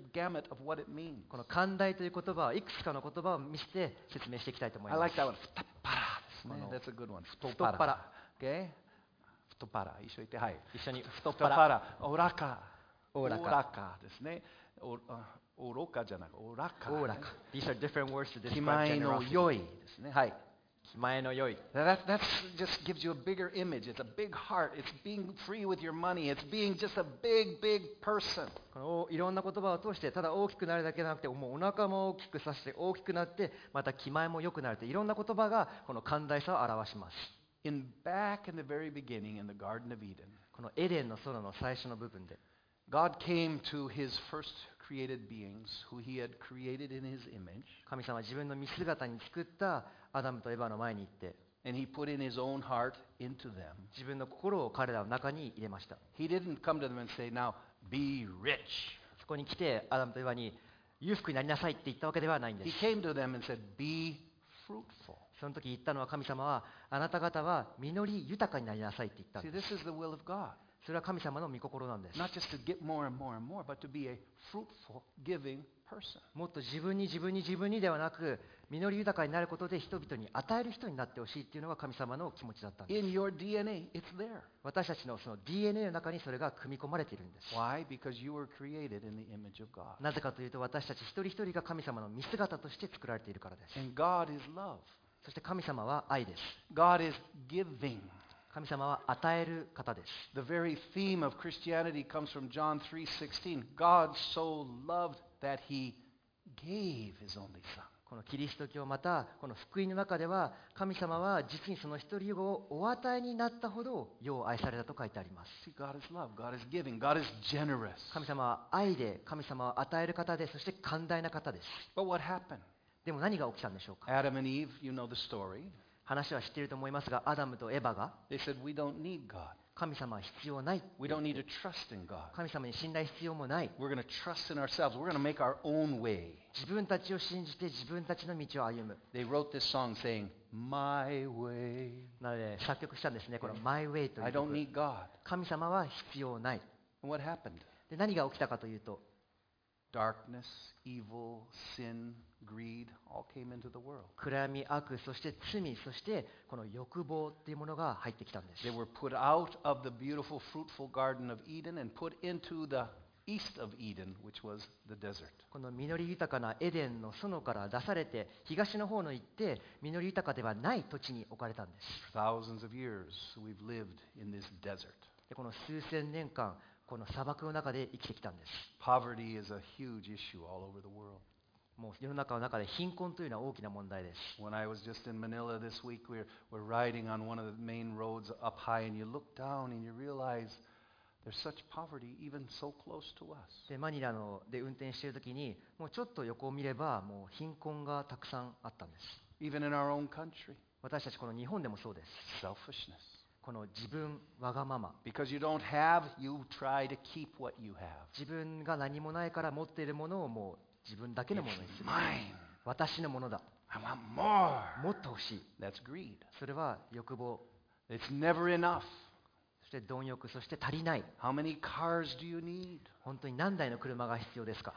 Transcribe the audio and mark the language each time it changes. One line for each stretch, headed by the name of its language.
English: Gamut of what it means.
Japanese: この寛大という言葉はいくつかの言葉を見せて説明していきたいと思います。
English: I like that one.
Japanese: ふとっぱらですね。
English: That's a good one.
Japanese: ふとっぱら。 Okay? ふとっぱら。一緒に言って、はい。一緒に。ふとっぱら。おらか。おらか。おらかですね。おろかじゃなくて、おらか。
English: おらか。These are different words to describe
Japanese: generosity. 気前の良いですね。はい。気前の良い。
English: That just gives you a bigger image. It's a big heart. It's being free with your money. It's being just a big, big person.
Japanese: このいろんな言葉を通して、ただ大きくなるだけじゃなくて、もうお腹も大きくさせて大きくなって、また気前も良くなるといろんな言葉がこの寛大さを表します。
English: In back in the very beginning in the Garden of Eden,
Japanese: このエデンの園の最初の部分で、
English: God came to His first created beings who He had created in His image.
Japanese: 神様は自分の見姿に作ったアダムとエヴァの前に行って、
English: And he put in his own heart into them.
Japanese: 自分の心を彼らの中に入れました。
English: He didn't come to them and say, "Now be rich."
Japanese: そこに来てアダムとエヴァに裕福になりなさいって言ったわけではないんです。
English: He came to them and said, "Be fruitful."
Japanese: その時言ったのは神様は、あなた方は実り豊かになりなさいって言ったんです。
English: See, this is the will of God.
Japanese: それは神様の御心なんです。
English: Not just to get more and more and more, but to be a fruitful, giving.
Japanese: もっと自分に自分に自分にではなく、実り豊かになることで人々に与える人になってほしいというのが神様の気持ちだったんです。
English: In your DNA, it's there.
Japanese: 私たちのその DNA の中にそれが組み込まれているんです。
English: Why? Because you were created in the image of God.
Japanese: なぜかというと、私たち一人一人が神様の見姿として作られているからです。
English: And God is love.
Japanese: そして神様は愛です。
English: God is giving.
Japanese: 神様は与える方です。
English: The very theme of Christianity comes from John 3:16. God so loved that he gave his only son.
Japanese: このキリスト教またこの福音の中では、神様は実にその一人をお与えになったほど世を愛されたと書いてあります。
English: See, God is love. God is giving. God is generous.
Japanese: 神様は愛で、神様は与える方で、そして寛大な方です。
English: But what happened?
Japanese: でも何が起きたんでしょうか。
English: Adam and Eve, you know the story.
Japanese: 話は知っていると思いますが、アダムとエヴァが、
English: They said, We don't need God.
Japanese: 神様は必要ない。
English: We don't need to trust in God.
Japanese: 神様に信頼必要もない。
English: We're going to trust in ourselves. We're going to make our own way.
Japanese: 自分たちを信じて自分たちの道を歩む。
English: They wrote this song saying, My way.
Japanese: なので作曲したんですね。この My way という曲。
English: I don't need God.
Japanese: 神様は必要ない。
English: And what happened?
Japanese: で何が起きたかというと、
English: Darkness, evil, sin. Greed all came into the world.
Japanese: 暗闇、悪、そして罪、そしてこの欲望というものが入ってきたんです。
English: They were put out of the beautiful, fruitful garden of Eden and put into the east of Eden, which was the desert.
Japanese: この実り豊かなエデンの園から出されて、東の方に行って、実り豊かではない土地に置かれたんです。
English: For thousands of years, we've lived in this desert.
Japanese: で、この数千年間、この砂漠の中で生きてきたんです。
English: Poverty is a huge issue all over the world.
Japanese: もう世の中の中で貧困というのは大きな問題です。
English: When I was just in Manila this week, we're riding on one of the main roads up high, and you look down and you realize there's such poverty even so close to us.
Japanese: で、マニラので運転しているときに、もうちょっと横を見れば、もう貧困がたくさんあったんです。
English: Even in our own country.
Japanese: 私たちこの日本でもそうです。
English: Selfishness.
Japanese: この自分わがまま。
English: Because you don't have, you try to keep what you have.
Japanese: 自分が何もないから持っているものをもう自分だけのものにする。私のものだ。
English: I want more.
Japanese: もっと欲しい。
English: That's greed.
Japanese: それは欲望。
English: It's never enough.
Japanese: そして貪欲、そして足りない。
English: How many cars do you need?
Japanese: 本当に何台の車が必要ですか?